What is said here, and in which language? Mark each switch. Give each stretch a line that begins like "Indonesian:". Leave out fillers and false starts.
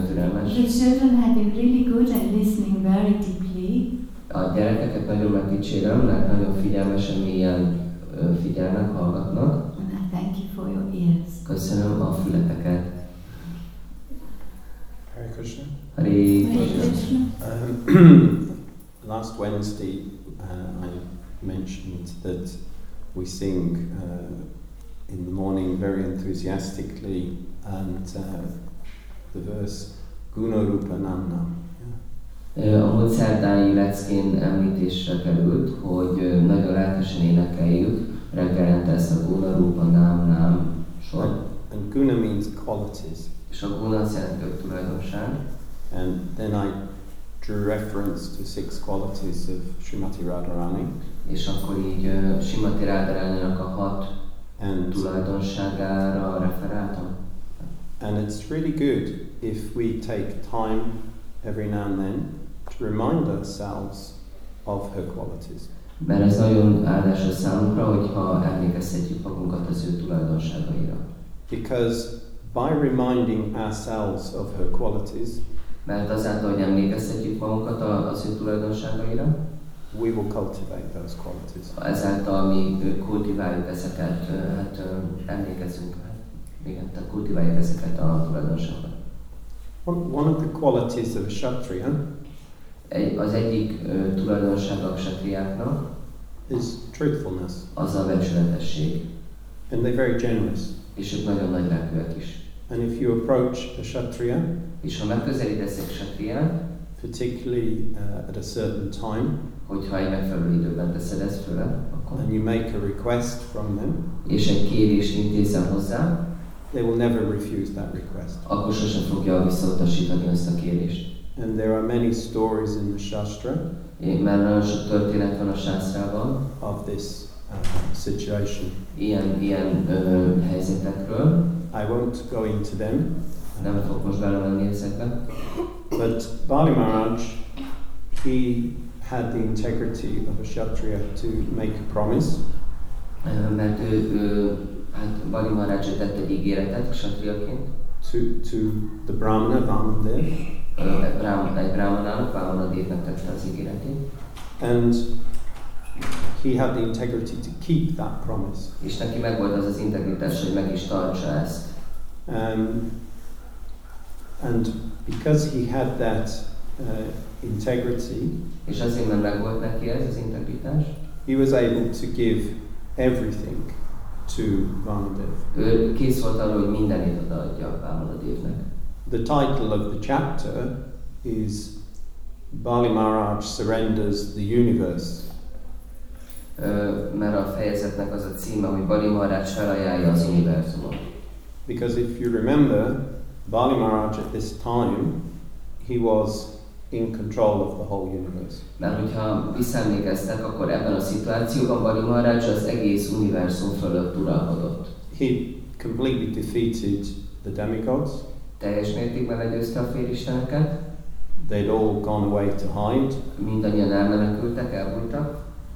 English: The children have been really good at listening very deeply.
Hungarian: A gyerekeket nagyon megdicsérem, mert nagyon figyelmesen, mélyen figyelnek, hallgatnak.
English: And I thank you for your ears.
Hungarian: Köszönöm a fületeket.
Sanskrit: Hare Krishna. Hare Krishna.
English: Last Wednesday, I mentioned that we sing in the morning very enthusiastically, and the verse Guna Rupa Nanna.
Hungarian: A módszertáni leckén említésre került, hogy nagyon lelkesen énekeljük reggelente ezt a Guna Rupa Nanna sort.
English: And Guna means qualities.
Hungarian: És a Guna szerint jobb tulajdonság.
English: And then I drew reference to six qualities of Srimati Radharani.
Hungarian: És akkor így Srimati Radharaninak a hat tulajdonságára referáltam.
English: And it's really good if we take time every now and then to remind ourselves of her qualities.
Hungarian: Mert ez nagyon áldás a számunkra, hogyha emlékeztetjük magunkat az ő tulajdonságaira.
English: Because by reminding ourselves of her qualities,
Hungarian: mert azáltal, hogy emlékeztetjük magunkat az ő tulajdonságaira,
English: we will cultivate those qualities.
Hungarian: Ezáltal mi kultiváljuk ezeket, hát emlékezünk rá. Igen, tehát kultiváljuk ezeket a tulajdonságokat.
English: One of the qualities of a kshatriya,
Hungarian: az egyik tulajdonság a kshatriáknak,
English: is truthfulness.
Hungarian: Az a becsületesség.
English: And they're very generous.
Hungarian: És ők nagyon nagy lelkűek is.
English: And if you approach a kshatriya,
Hungarian: és ha megközelítesz egy kshatriát,
English: particularly at a certain time,
Hungarian: hogyha egy megfelelő időben teszed ezt föl, akkor,
English: and you make a request from them,
Hungarian: és egy kérést intézel hozzá,
English: they will never refuse that request.
Hungarian: Akkor sosem fogja visszautasítani ezt a kérést.
English: And there are many stories in the Shastra.
Hungarian: Mert nagyon sok történet van a Sastrában.
English: Of this situation.
Hungarian: Ilyen helyzetekről.
English: I won't go into them.
Hungarian: Nem fogok most belemenni ezekbe.
English: But Bali Maharaj, he had the integrity of a Kshatriya to make a promise.
Hungarian: Mert hát Bali Maharaj tett egy ígéretet Kshatriyaként.
English: To the Brahmana, Vamadev.
Hungarian: Egy Brahmanának, Vamadevnek tette az ígéretét.
English: And he had the integrity to keep that promise.
Hungarian: És neki megvolt az integritás, hogy meg is tartsa ezt.
English: And because he had that integrity,
Hungarian: és azért, mert megvolt neki ez az integritás,
English: he was able to give everything to Vamadev.
Hungarian: Ő kész volt arra, hogy mindenét odaadja Vamadevnek.
English: The title of the chapter is Bali Maharaj surrenders the universe.
Hungarian: Mert a fejezetnek az a címe, hogy Bali Maharaj felajánlja az univerzumot.
English: Because if you remember, Bali Maharaj at this time, he was in control of the whole universe.
Hungarian: Mert hogyha visszaemlékeztek, akkor ebben a szituációban Bali Maharaj az egész univerzum fölött uralkodott.
English: He completely defeated the demigods.
Hungarian: Teljes mértékben legyőzte a félisteneket.
English: They'd all gone away to hide.
Hungarian: Mindannyian elmenekültek, elbújtak.